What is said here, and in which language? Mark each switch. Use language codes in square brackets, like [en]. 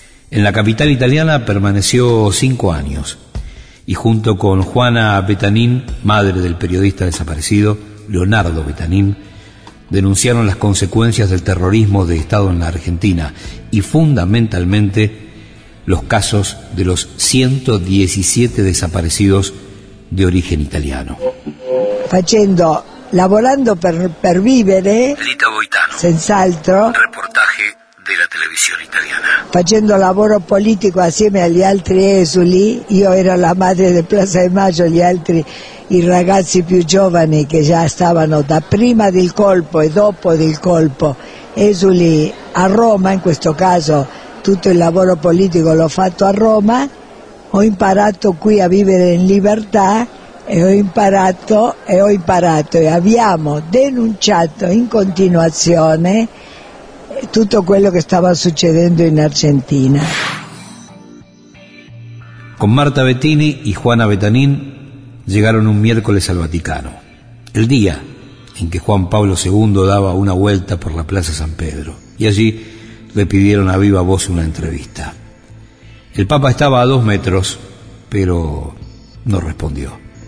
[es] En la capital italiana permaneció 5 años. Y junto con Juana Betanin, madre del periodista desaparecido, Leonardo Betanin, denunciaron las consecuencias del terrorismo de Estado en la Argentina y fundamentalmente los casos de los 117 desaparecidos de origen italiano. [it] facendo Lavorando per vivere. Rita Boitano. Senz'altro. [es] Reportaje de la televisión italiana. [it] Facendo lavoro politico assieme agli altri esuli. Io ero la madre del Plaza de Mayo, gli altri, i ragazzi più giovani che già stavano da prima del colpo e dopo del colpo, esuli a Roma, in questo caso tutto il lavoro politico l'ho fatto a Roma. Ho imparato qui a vivere in libertà e ho imparato e abbiamo denunciato in continuazione tutto quello che stava succedendo in Argentina. [es] Con Marta Bettini e Juana Betanin llegaron un miércoles al Vaticano, el día en que Juan Pablo II daba una vuelta por la Plaza San Pedro, y allí le pidieron a viva voz una entrevista. El Papa estaba a 2 metros, pero no respondió.